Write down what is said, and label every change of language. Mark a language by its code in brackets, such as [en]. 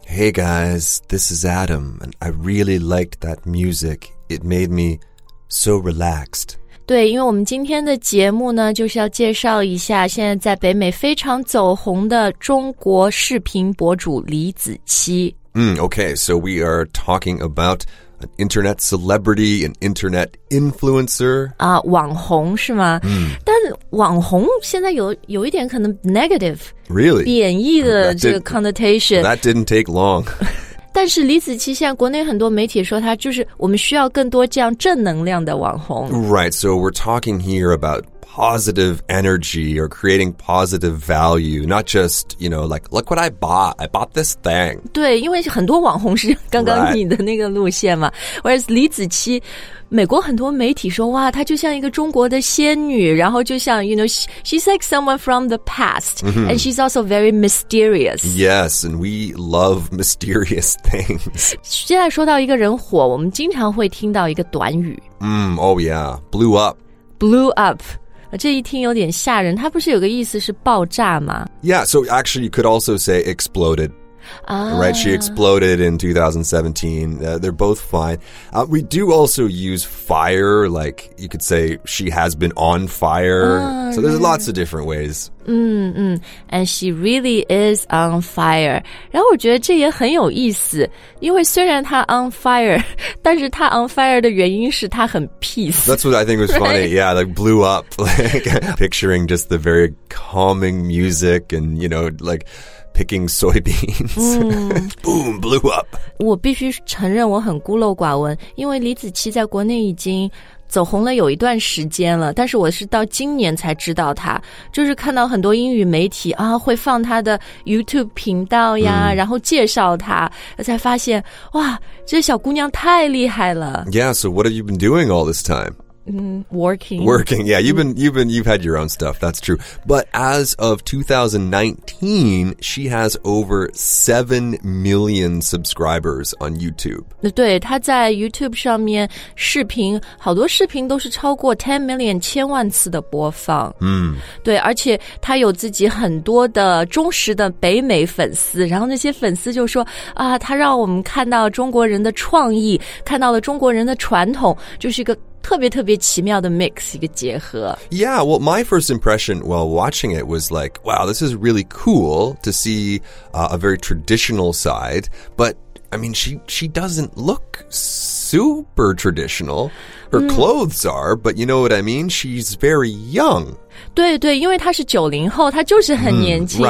[en] Hey guys, this is Adam, and I really liked that music. It made me so relaxed. [zh] 对，因为我们今天的节目呢，就是要介绍一下现在在北美非常走红的中国视频博主李子柒。 [en] Okay, so we are talking about... An internet celebrity, an internet influencer. [zh] 啊、网红是吗、嗯、但网红现在 有一点可能 negative. [en] Really? [zh] 贬义的这个 connotation. [en] That didn't take long. [zh] 但是李子柒现在国内很多媒体说他就是我们需要更多这样正能量的网红。 [en] Right, so we're talking here about positive energy or creating positive value, not just, you know, like, look what I bought this thing. [zh] 对，因为很多网红是刚刚你的那个路线嘛。 [en] Right. [zh] Whereas 李子柒美国很多媒体说哇她就像一个中国的仙女然后就像 [en] you know, she's like someone from the past,、 mm-hmm. and she's also very mysterious. Yes, and we love mysterious things. [zh] 现在说到一个人火我们经常会听到一个短语。 [en] Oh yeah, blew up. Blew up. [zh] 这一听有点吓人它不是有个意思是爆炸吗 [en] Yeah, so actually you could also say exploded、 ah. Right, she exploded in 2017、they're both fine、we do also use fire Like you could say she has been on fire、 ah, So there's、right. lots of different ways、 And she really is on fire [zh] 然后我觉得这也很有意思因为虽然她 on fire 但是她 on fire 的原因是她很Peace. [en] That's what I think was funny,、 yeah, like blew up, like picturing just the very calming music and, you know, like picking soybeans,、boom, blew up. [zh] 我必须承认我很孤陋寡闻,因为李子柒在国内已经走红了有一段时间了,但是我是到今年才知道他,就是看到很多英语媒体啊,会放他的 YouTube 频道呀,、mm. 然后介绍他,才发现,哇,这小姑娘太厉害了。 [en] Yeah, so what have you been doing all this time? Working, yeah, you've had your own stuff, that's true. But as of 2019, she has over 7 million subscribers on YouTube. [zh] 对，她在 YouTube 上面视频，好多视频都是超过 10 million, 千万次的播放。对，而且她有自己很多的忠实的北美粉丝，然后那些粉丝就说，啊，她让我们看到中国人的创意，看到了中国人的传统，就是一个特别特别奇妙的 mix 一个结合 [en] Yeah, well, my first impression while watching it was like, wow, this is really cool to see、a very traditional side. But, I mean, she doesn't look super traditional. Her、clothes are, but you know what I mean? She's very young. [zh] 对对，因为她是90后，她就是很年轻。